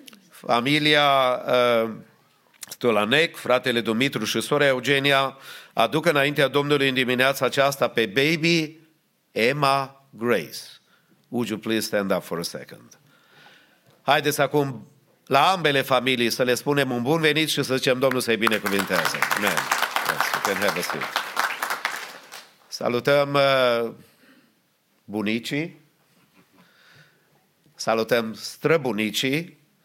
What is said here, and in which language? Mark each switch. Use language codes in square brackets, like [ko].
[ro] Familia Stulanec, fratele Dumitru și sora Eugenia aduc înaintea Domnului în dimineața aceasta pe baby Emma Grace. [en] Would you please stand up for a second? [ro] Haideți acum la ambele familii să le spunem un bun venit și să zicem Domnul să-i binecuvinteze. [en] Amen. Yes, you can have a seat. [ro] Salutăm bunicii, salutăm străbunicii.